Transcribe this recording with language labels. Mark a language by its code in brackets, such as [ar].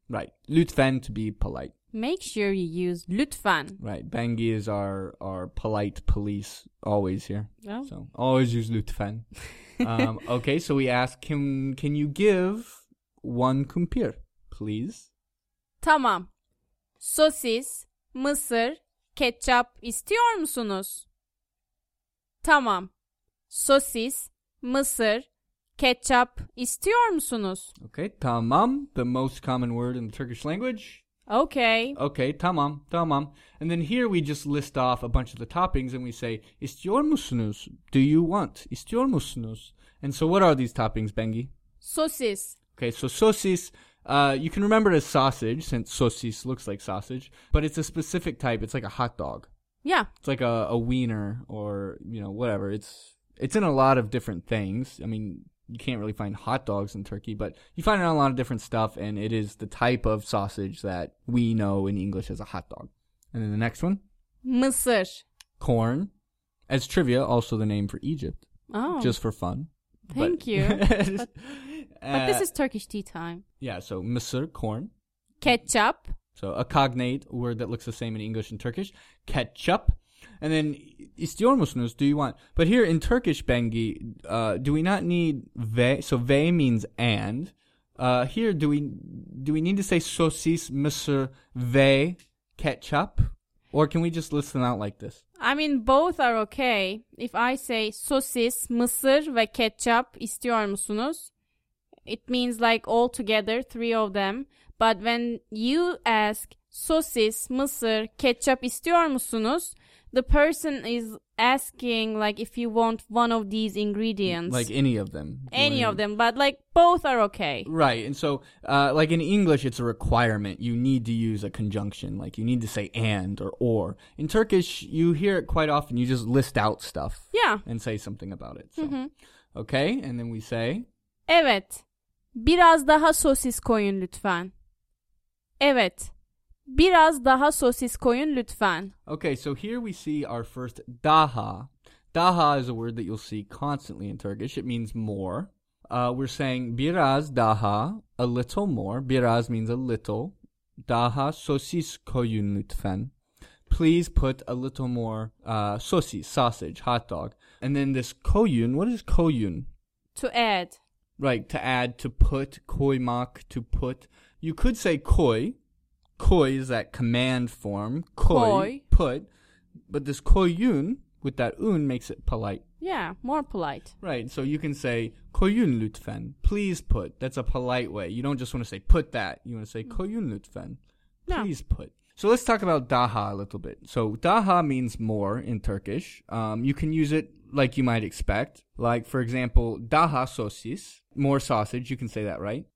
[en] Right. Lütfen to be polite. Make sure you use lütfen. Right. Bengi is our polite police always here. Oh. So always use lütfen. okay, so we ask, can you give one kumpir, please? [tr] Tamam. Sosis, mısır, ketçap istiyor musunuz? Tamam. Sosis, mısır, ketçap istiyor musunuz? Okay, tamam. [en] The most common word in the Turkish language. Okay. Okay, tamam. And then here we just list off a bunch of the toppings and we say, [tr] istiyor musunuz? [en] Do you want? [tr] Istiyor musunuz? [en] And so what are these toppings, Bengi? [tr] Sosis. [en] Okay, so sosis, you can remember it as sausage, since sosis looks like sausage, but it's a specific type. It's like a hot dog. Yeah. It's like a wiener or, you know, whatever. It's in a lot of different things. I mean, you can't really find hot dogs in Turkey, but you find it in a lot of different stuff, and it is the type of sausage that we know in English as a hot dog. And then the next one? [tr] Mısır. [en] Corn. As trivia, also the name for Egypt. Oh. Just for fun. Thank you. But this is Turkish tea time. Yeah, so mısır, corn. Ketchup. So a cognate word that looks the same in English and Turkish. Ketchup. And then [tr] istiyor musunuz, [en] do you want? But here in Turkish, Bengi, do we not need ve? So ve means and. Here, do we need to say [tr] sosis, mısır, ve, ketchup? [en] Or can we just list them out like this? I mean, both are okay. If I say [tr] sosis, mısır ve ketçap istiyor musunuz? [en] It means like all together, three of them. But when you ask [tr] sosis, mısır, ketçap istiyor musunuz? [en] The person is asking like if you want one of these ingredients. Like any of them. Any of them, but like both are okay. Right, and so like in English it's a requirement. You need to use a conjunction, like you need to say and or. In Turkish, you hear it quite often, you just list out stuff. Yeah. And say something about it. So. Mm-hmm. Okay, and then we say. [tr] Evet, biraz daha sosis koyun lütfen. Evet. Biraz daha sosis koyun lütfen. [en] Okay, so here we see our first daha. Daha is a word that you'll see constantly in Turkish. It means more. We're saying [tr] biraz daha, [en] a little more. Biraz means a little. [tr] Daha sosis koyun lütfen. [en] Please put a little more sosis, sausage, hot dog. And then this koyun, what is koyun? To add. Right, to add, to put, koymak, to put. You could say koy. Koy is that command form. Koy. Put. But this koyun with that un makes it polite. Yeah, more polite. Right. So you can say [tr] koyun lütfen. [en] Please put. That's a polite way. You don't just want to say put that. You want to say [tr] koyun lütfen. [en] Please put. So let's talk about daha a little bit. So daha means more in Turkish. You can use it like you might expect. Like, for example, daha sosis. More sausage. You can say that, right?